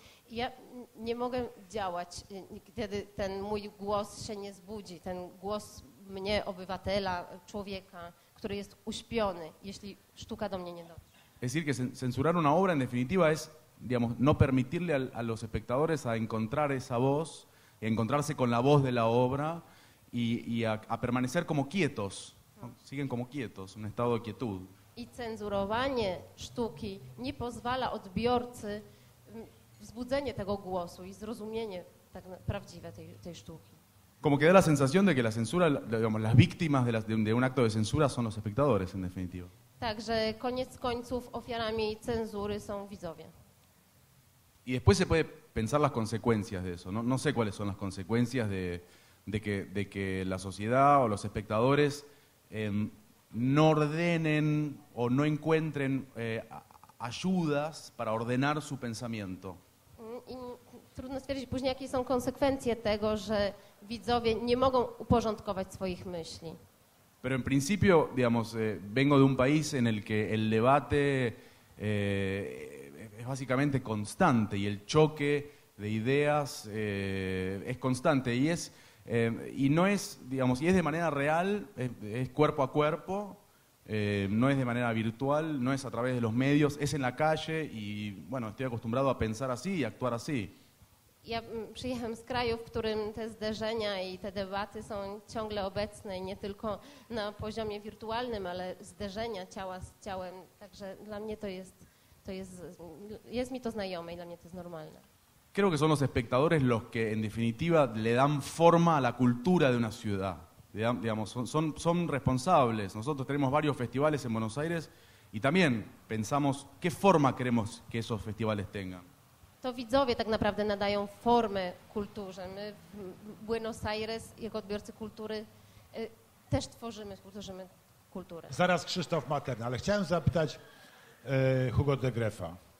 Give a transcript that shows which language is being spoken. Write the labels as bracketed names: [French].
[Polish] Ja nie mogę działać, kiedy ten mój głos się nie zbudzi, ten głos mnie, obywatela, człowieka, który jest uśpiony, jeśli sztuka do mnie nie dotrze. [Spanish] Es decir, que censurar una obra en definitiva es, digamos, no permitirle a los espectadores a encontrar esa voz, a encontrarse con la voz de la obra y a permanecer como quietos, ¿no? Siguen como quietos, un estado de quietud. [Polish] Y censurowanie sztuki nie pozwala odbiorcy wzbudzenie tego głosu i zrozumienie tak prawdziwe tej, tej sztuki. [Spanish] Como que da la sensación de que la censura, digamos, las víctimas de, la, de un acto de censura son los espectadores, en definitiva. [Polish] Także koniec końców ofiarami cenzury są widzowie. [Spanish] Y después se puede pensar las consecuencias de eso, ¿no? No sé cuáles son las consecuencias de que la sociedad o los espectadores no ordenen o no encuentren ayudas para ordenar su pensamiento. [Polish] I trudno stwierdzić później, jakie są konsekwencje tego, że widzowie nie mogą uporządkować swoich myśli. [Spanish] Pero en principio, digamos, vengo de un país en el que el debate es básicamente constante y el choque de ideas es constante y es y no es, digamos, y es de manera real, es cuerpo a cuerpo, no es de manera virtual, no es a través de los medios, es en la calle y bueno, estoy acostumbrado a pensar así y a actuar así. [Polish] Ja przyjechałem z kraju, w którym te zderzenia i te debaty są ciągle obecne, nie tylko na poziomie wirtualnym, ale zderzenia ciała z ciałem. Także dla mnie to jest, jest mi to znajome i dla mnie to jest normalne. [Spanish] Creo que son los espectadores los que en definitiva le dan forma a la cultura de una ciudad. Digamos, son responsables. Nosotros tenemos varios festivales en Buenos Aires y también pensamos qué forma queremos que esos festivales tengan. [Polish] To widzowie tak naprawdę nadają formę kulturze. My w Buenos Aires, jako odbiorcy kultury, też tworzymy, tworzymy kulturę. Zaraz Krzysztof Materna, ale chciałem zapytać Hugo de Greffa.